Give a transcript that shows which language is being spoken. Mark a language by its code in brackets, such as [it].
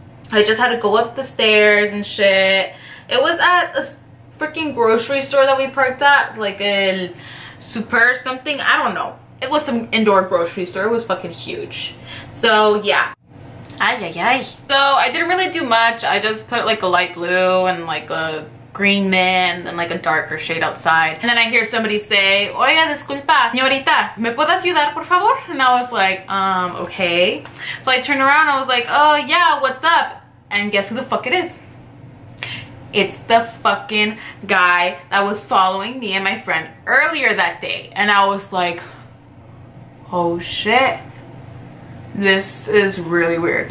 [en] I just had to go up the stairs and shit. It was at a freaking grocery store that we parked at, like a super something. I don't know. It was some indoor grocery store. It was fucking huge. So yeah. Ay, ay, ay. So I didn't really do much. I just put like a light blue and like a green mint and like a darker shade outside. And then I hear somebody say, [es] oiga, disculpa, señorita, ¿me puedes ayudar, por favor? [en] And I was like, okay. So I turned around. I was like, oh yeah, what's up? And guess who the fuck it is? It's the fucking guy that was following me and my friend earlier that day. And I was like, oh shit, this is really weird.